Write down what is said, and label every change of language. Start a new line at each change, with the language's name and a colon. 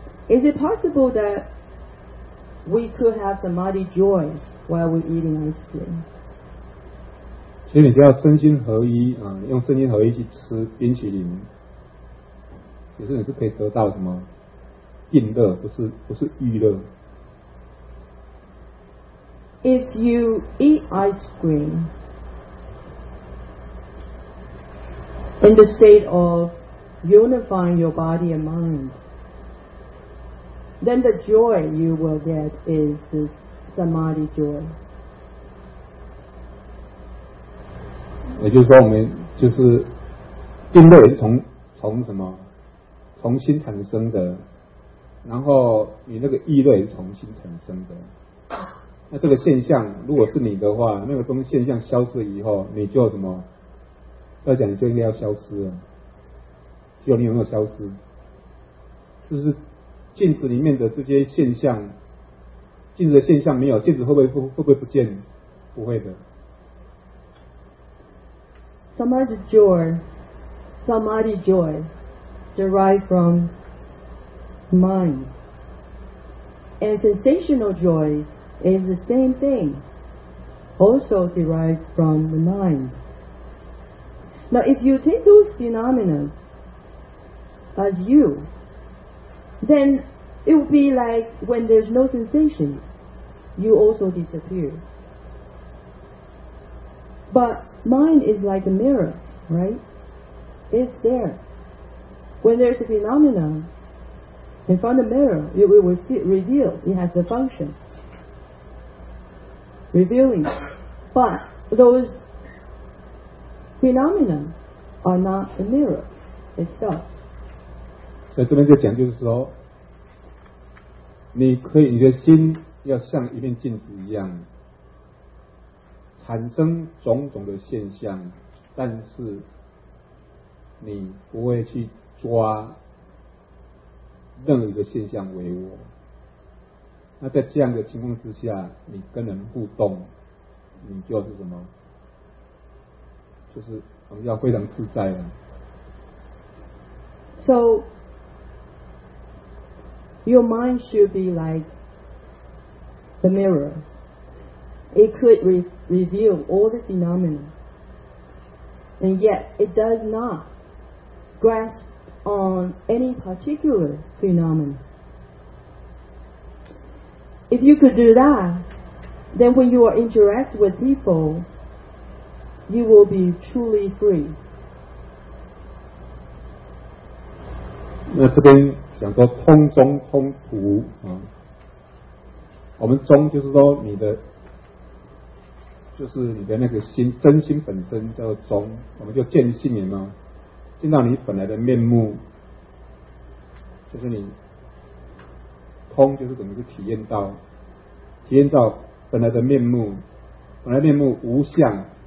English: Is it possible that we could have some mighty joy while we're eating ice cream?
Chinese: 其实你要身心合一，用身心合一去吃冰淇淋，其实你是可以得到什么？定乐不是娱乐。
English: If you eat ice cream in the state of unifying your body and mind, then the joy you will get is this samadhi joy.
Chinese: 也就是说，我们就是定乐也是从什么从心产生的。然后你那个意乐也是从心产生的，那这个现象如果是你的话，那个东西现象消失以后，你就什么要讲你就应该要消失了，只有你有没有消失，就是镜子里面的这些现象，镜子的现象没有，镜子会不会不见？不会的。
English: Samadhi joy, Samadhi joy derived frommind and sensational joy is the same thing, also derived from the mind. Now if you take those phenomena as you, then it will be like when there's no sensation, you also disappear. But mind is like a mirror, right? It's there. When there's a phenomenaIn front of the mirror, it will reveal, it has the function, revealing. But those phenomena are not the mirror itself.
Chinese: 所以这边就讲就是说，你可以，你的心要像一面镜子一样，产生种种的现象，但是你不会去抓任何一个现象为我，那在这样的情况之下，你跟人互动，你就是什么？就是我们要非常自在了。
English: So your mind should be like the mirror. It could reveal all the phenomena, and yet it does not grasp. On any particular phenomenon. If you could do that, then when you are interact with people, you will be truly free.
Chinese: 那这边想说通中通途啊，我们中就是说你的就是你的那个心真心本身叫做中，我们就见性了嘛，见到你本来的面目，就是你通，就是怎么去体验到，体验到本来的面目，本来面目无相。